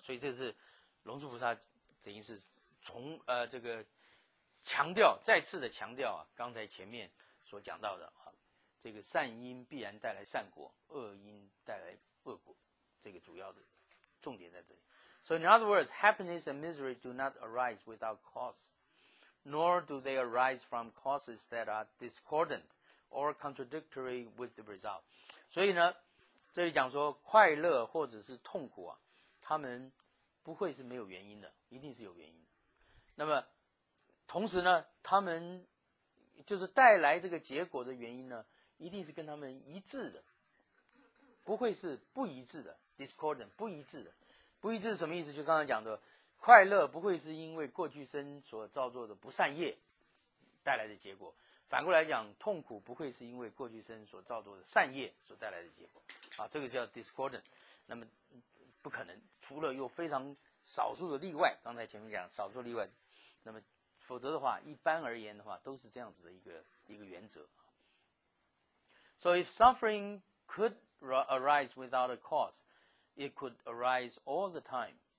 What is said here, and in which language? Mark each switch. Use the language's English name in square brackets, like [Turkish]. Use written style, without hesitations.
[Chinese] 所以这是龙树菩萨等于是从这个强调，再次的强调啊，刚才前面所讲到的啊，这个善因必然带来善果，恶因带来恶果，这个主要的重点在这里。 [English] So in other words, happiness and misery do not arise without cause, nor do they arise from causes that are discordant or contradictory with the result. [Chinese] 所以呢，这里讲说快乐或者是痛苦啊，他们不会是没有原因的，一定是有原因的。那么同时呢，他们就是带来这个结果的原因呢，一定是跟他们一致的，不会是不一致的 ，discordant 不一致的。不一致是什么意思？就刚才讲的，快乐不会是因为过去生所造作的不善业带来的结果，反过来讲，痛苦不会是因为过去生所造作的善业所带来的结果。啊，这个叫 discordant， 那么不可能，除了有非常少数的例外，刚才前面讲少数例外，那么。否则的话，一般而言的话，都是这样子的一个原则。 [English] So if suffering could arise without a cause, it could arise all the time.